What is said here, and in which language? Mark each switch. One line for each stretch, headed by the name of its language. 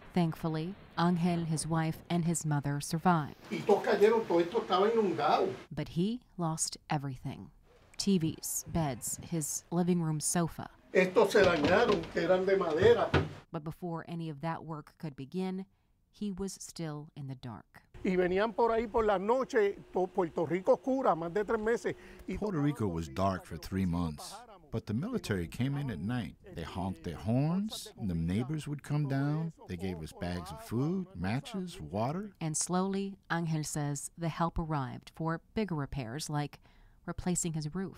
English: Thankfully, Angel, his wife, and his mother survived. But he lost everything. TVs, beds, his living room sofa.
Spanish: Estos se dañaron, que eran de madera.
English: But before any of that work could begin, he was still in the dark.
Spanish: Y venían por ahí por la noche, Puerto Rico oscura, más de 3 meses.
English: Puerto Rico was dark for 3 months, but the military came in at night. They honked their horns, and the neighbors would come down. They gave us bags of food, matches, water. And slowly, Angel says, the help arrived for bigger repairs like replacing his roof.